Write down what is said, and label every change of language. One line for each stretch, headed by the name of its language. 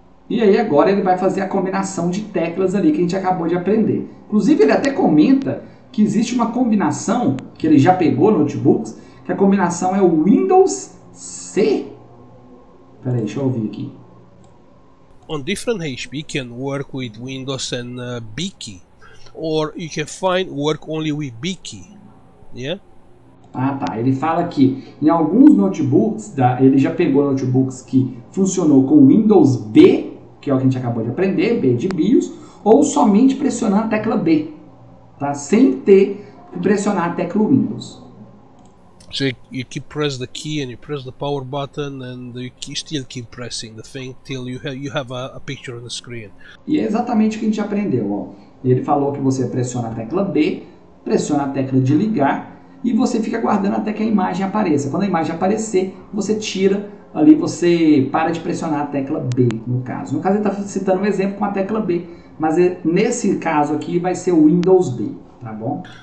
Portuguese: E aí agora ele vai fazer a combinação de teclas ali que a gente acabou de aprender. Inclusive ele até comenta que existe uma combinação que ele já pegou no notebooks, que a combinação é o Windows C. Espera aí, deixa eu ouvir aqui.
English: On different HP can work with Windows and BKey. Or you can find work only with BKey, yeah?
Portuguese: Ah, tá. Ele fala que em alguns notebooks, ele já pegou notebooks que funcionou com Windows B, que é o que a gente acabou de aprender, B de BIOS, ou somente pressionar a tecla B, tá? Sem ter que pressionar a tecla Windows.
English: So you keep press the key and you press the power button and you still keep pressing the thing till you have a picture on the screen.
Portuguese: E é exatamente o que a gente aprendeu, ó. Ele falou que você pressiona a tecla B, pressiona a tecla de ligar e você fica aguardando até que a imagem apareça. Quando a imagem aparecer, você tira ali, você para de pressionar a tecla B, no caso. No caso, ele está citando um exemplo com a tecla B, mas nesse caso aqui vai ser o Windows B, tá bom?